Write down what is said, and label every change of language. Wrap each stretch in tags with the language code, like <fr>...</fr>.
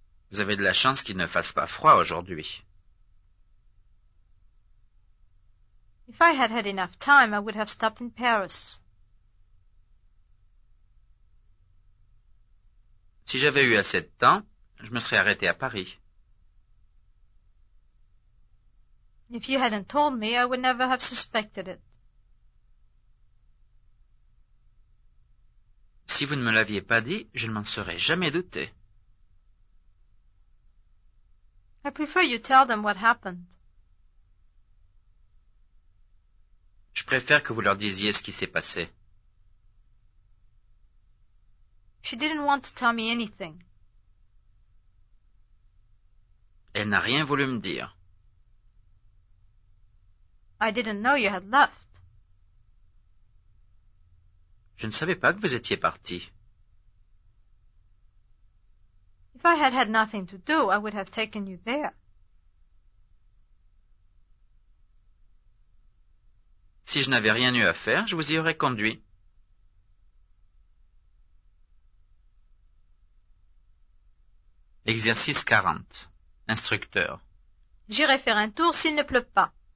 <fr>Vous avez de la chance qu'il ne fasse pas froid aujourd'hui.</fr> <en>If I had had enough time, I would have stopped in Paris.</en> <fr>Si j'avais eu assez de temps, je me serais arrêté à Paris.</fr> <en>If you hadn't told me, I would never have suspected it.</en> <fr>Si vous ne me l'aviez pas dit, je ne m'en serais jamais douté.</fr> <en>I prefer you tell them what happened.</en> <fr>Je préfère que vous leur disiez ce qui s'est passé.</fr> <en>She didn't want to tell me anything.</en> <fr>Elle n'a rien voulu me dire.</fr> <en>I didn't know you had left.</en> <fr>Je ne savais pas que vous étiez parti.</fr> <en>If I had had nothing to do, I would have taken you there.</en> <fr>Si je n'avais rien eu à faire, je vous y aurais conduit. Exercice 40. Instructeur. J'irai faire un tour s'il ne pleut pas.</fr>